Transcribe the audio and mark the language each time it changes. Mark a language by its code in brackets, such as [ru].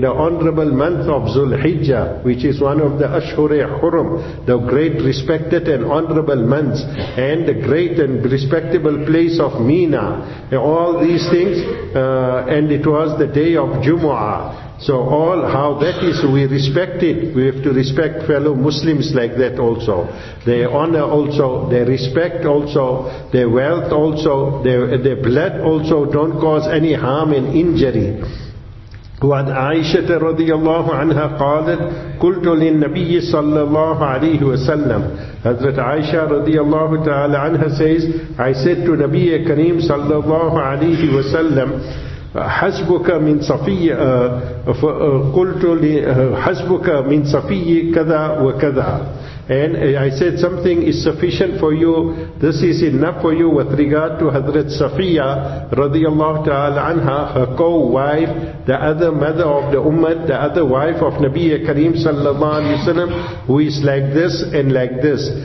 [en] the honorable month of Zulhijjah, which is one of the Ashhur-e-Hurum, the great respected and honorable months, and the great and respectable place of Mina, all these things, and it was the day of Jumu'ah. So all how that is, we respect it. We have to respect fellow Muslims like that also. Their honor also, their respect also, their wealth also, their blood also don't cause any harm and injury. [ar] وعن عائشة رضي الله عنها قالت قلت للنبي صلى الله عليه وسلم. [en] Hazrat Aisha رضي الله تعالى عنها says, I said to نبي كريم صلى الله عليه وسلم, [ar] حسبك من صفية قلت حسبك من صفية كذا وكذا. [en] And I said, something is sufficient for you, this is enough for you with regard to Hazrat Safiya radiyallahu ta'ala anha, her co-wife, the other mother of the ummah, the other wife of Nabi Kareem sallallahu alayhi wa sallam, who is like this and like this.